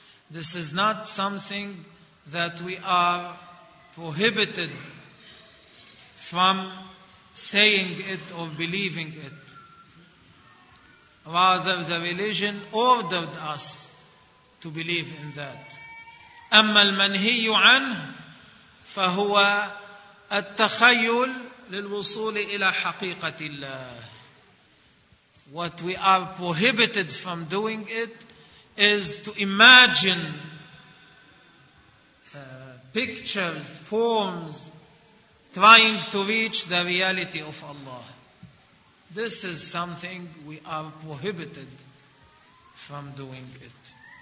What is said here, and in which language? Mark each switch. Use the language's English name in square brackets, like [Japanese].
[English] This is not something that we are prohibited from saying it or believing it. Rather, the religion ordered us to believe in that. [Arabic] أما المنهي عنه فهو التخيل للوصول إلى حقيقة الله. [English] What we are prohibited from doing it is to imagine pictures, forms, trying to reach the reality of Allah. This is something we are prohibited from doing it.